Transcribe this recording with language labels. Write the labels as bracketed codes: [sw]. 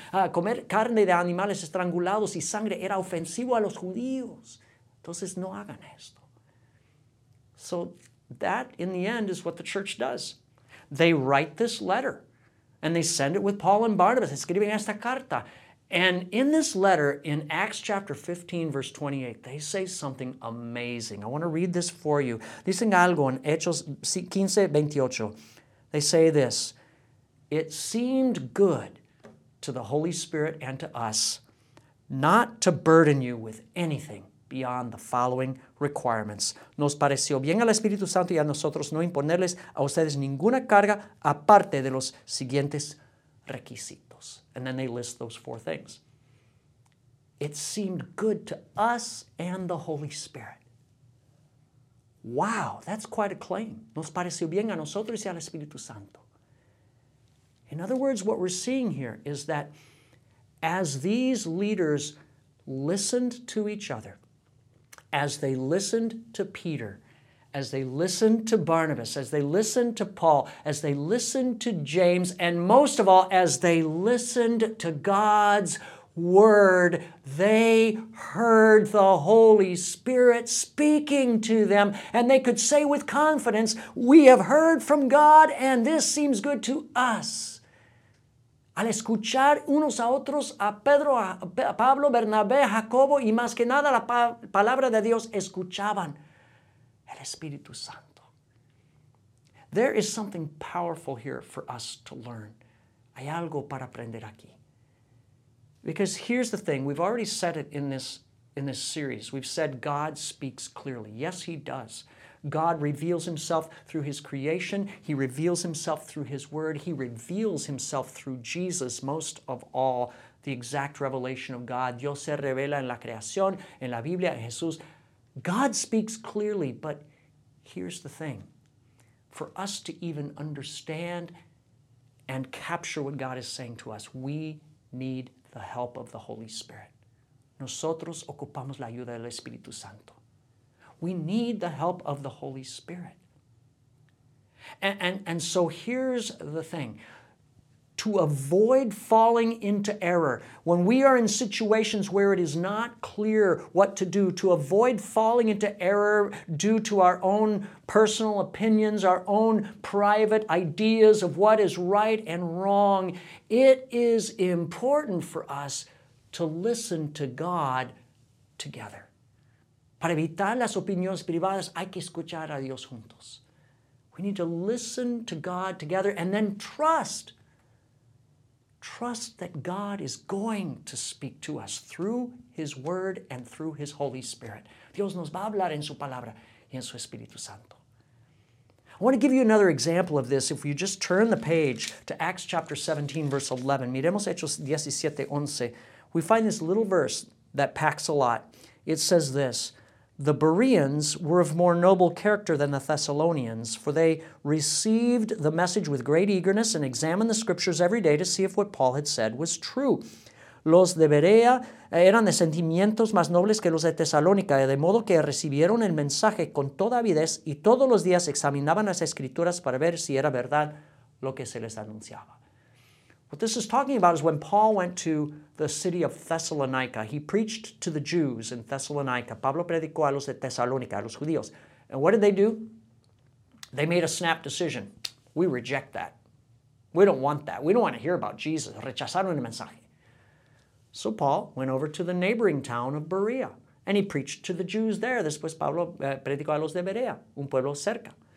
[es] Comer carne de animales estrangulados y sangre era ofensivo a los judíos. Entonces no hagan esto. [en] So that, in the end, is what the church does. They write this letter, and they send it with Paul and Barnabas, [es] escribing esta carta. [en] And in this letter, in Acts chapter 15, verse 28, they say something amazing. I want to read this for you. [es] Dicen algo en Hechos 15, 28. [en] They say this, it seemed good to the Holy Spirit and to us not to burden you with anything beyond the following requirements. [es] Nos pareció bien al Espíritu Santo y a nosotros no imponerles a ustedes ninguna carga aparte de los siguientes requisitos. [en] And then they list those four things. It seemed good to us and the Holy Spirit. Wow, that's quite a claim. [es] Nos pareció bien a nosotros y al Espíritu Santo. [en] In other words, what we're seeing here is that as these leaders listened to each other, as they listened to Peter, as they listened to Barnabas, as they listened to Paul, as they listened to James, and most of all, as they listened to God's Word, they heard the Holy Spirit speaking to them, and they could say with confidence, "We have heard from God, and this seems good to us." [es] Al escuchar unos a otros, a Pedro, a Pablo, Bernabé, Jacobo, y más que nada la palabra de Dios, escuchaban el Espíritu Santo. [en] There is something powerful here for us to learn. [es] Hay algo para aprender aquí. [en] Because here's the thing, we've already said it in this series. We've said God speaks clearly. Yes, He does. God reveals Himself through His creation. He reveals Himself through His Word. He reveals Himself through Jesus, most of all, the exact revelation of God. [es] Dios se revela en la creación, en la Biblia, en Jesús. [en] God speaks clearly, but here's the thing. For us to even understand and capture what God is saying to us, we need the help of the Holy Spirit. [es] Nosotros ocupamos la ayuda del Espíritu Santo. [en] We need the help of the Holy Spirit. And so here's the thing. To avoid falling into error, when we are in situations where it is not clear what to do, to avoid falling into error due to our own personal opinions, our own private ideas of what is right and wrong, it is important for us to listen to God together. [es] Para evitar las opiniones privadas, hay que escuchar a Dios juntos. [en] We need to listen to God together and then trust. Trust that God is going to speak to us through His Word and through His Holy Spirit. [es] Dios nos va a hablar en su palabra y en su Espíritu Santo. [en] I want to give you another example of this. If you just turn the page to Acts chapter 17, verse 11. [es] Miremos Hechos 17, 11. [en] We find this little verse that packs a lot. It says this. The Bereans were of more noble character than the Thessalonians, for they received the message with great eagerness and examined the scriptures every day to see if what Paul had said was true. [es] Los de Berea eran de sentimientos más nobles que los de Tesalónica, de modo que recibieron el mensaje con toda avidez y todos los días examinaban las escrituras para ver si era verdad lo que se les anunciaba. [en] What this is talking about is when Paul went to the city of Thessalonica, he preached to the Jews in Thessalonica. [es] Pablo predicó a los de Tesalónica, a los judíos. [en] And what did they do? They made a snap decision. We reject that. We don't want that. We don't want to hear about Jesus. [es] Rechazaron el mensaje. [en] So Paul went over to the neighboring town of Berea, and he preached to the Jews there. [es] Después Pablo predicó a los de Berea, un pueblo cerca.